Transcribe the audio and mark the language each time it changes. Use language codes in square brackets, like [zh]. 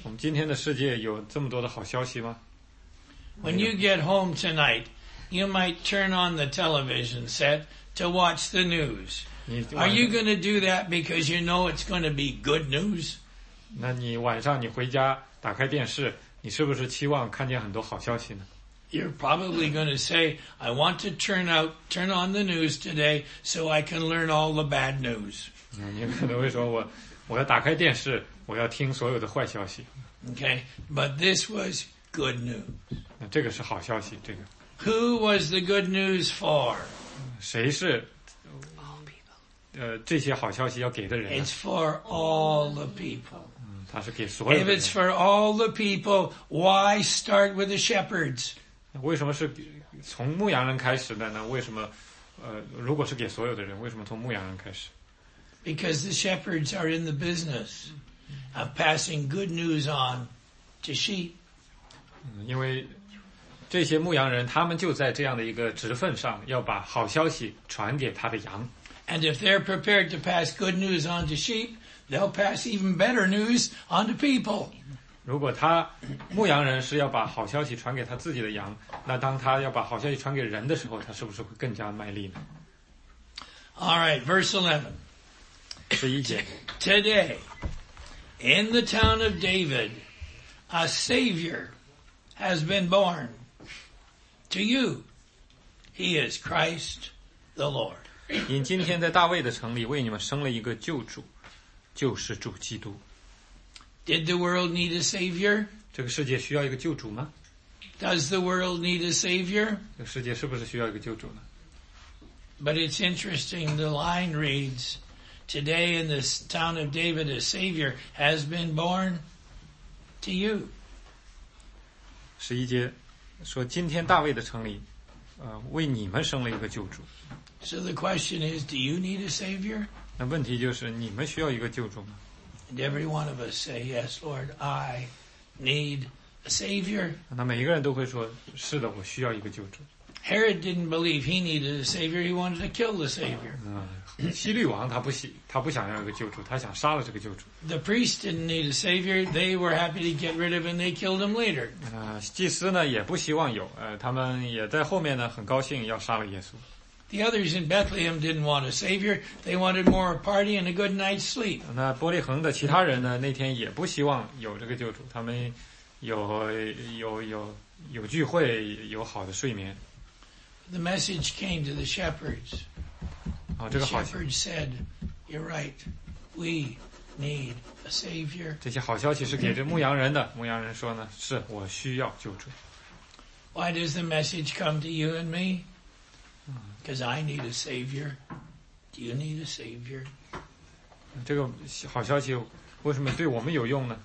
[zh] 我们今天的世界有这么多的好消息吗 [en] When you get home tonight, you might turn on the television set to watch the news. Are you going to do that because you know it's going to be good news? [zh] 那你晚上你回家打开电视你是不是期望看见很多好消息呢 [en] You're probably going to say, I want to turn on the news today so I can learn all the bad news. [zh] 你可能会说我要打开电视我要听所有的坏消息。 [en] Okay, but this was good news. [zh] 那这个是好消息这个。 [en] Who was the good news for? [zh] 谁是这些好消息要给的人 [en] It's for all the people. If it's for all the people, why start with the shepherds? [zh] 为什么是从牧羊人开始的呢？为什么，如果是给所有的人，为什么从牧羊人开始？ [en] Because the shepherds are in the business of passing good news on to sheep. [zh] 因为这些牧羊人，他们就在这样的一个职份上，要把好消息传给他的羊。 [en] And if they're prepared to pass good news on to sheep,They'll pass even better news on to people. [zh] 如果他牧羊人是要把好消息传给他自己的羊，那当他要把好消息传给人的时候，他是不是会更加卖力呢 [en] ？All right, verse 11. [zh] 十一节 [en] Today, in the town of David, a Savior has been born to you. He is Christ the Lord. [zh] 因今天在大卫的城里为你们生了一个救主。就是主基督。 [en] Did the world need a savior? [zh] 这个世界需要一个救主吗 [en] ？Does the world need a savior? [zh] 这个世界是不是需要一个救主呢 [en] ？But it's interesting. The line reads, "Today in this town of David, a savior has been born to you." [zh] 十一节说，今天大卫的城里，为你们生了一个救主。 [en] So the question is, do you need a savior? [zh] 那问题就是你们需要一个救主吗 [en] And every one of us say, yes, Lord, I need a savior. [zh] 那每一个人都会说，是的，我需要一个救主。 [en] Herod didn't believe he needed a savior. He wanted to kill the savior. [zh] 希律王他不想要一个救主，他想杀了这个救主。 [en] The priest didn't need a savior. They were happy to get rid of him. They killed him later. [zh] 祭司呢也不希望有，他们也在后面呢很高兴要杀了耶稣。 [en] The others in Bethlehem didn't want a savior. They wanted more party and a good night's sleep. [zh] 那伯利恒的其他人呢，那天也不希望有这个救主，他们有聚会，有好的睡眠。 [en] The message came to the shepherds. The shepherds said, "You're right. We need a savior." [zh] 这些好消息是给这牧羊人的。牧羊人说呢，是我需要救主。 [en] Why does the message come to you and me? Because I need a savior. Do you need a savior? [zh] 这个好消息为什么对我们有用呢？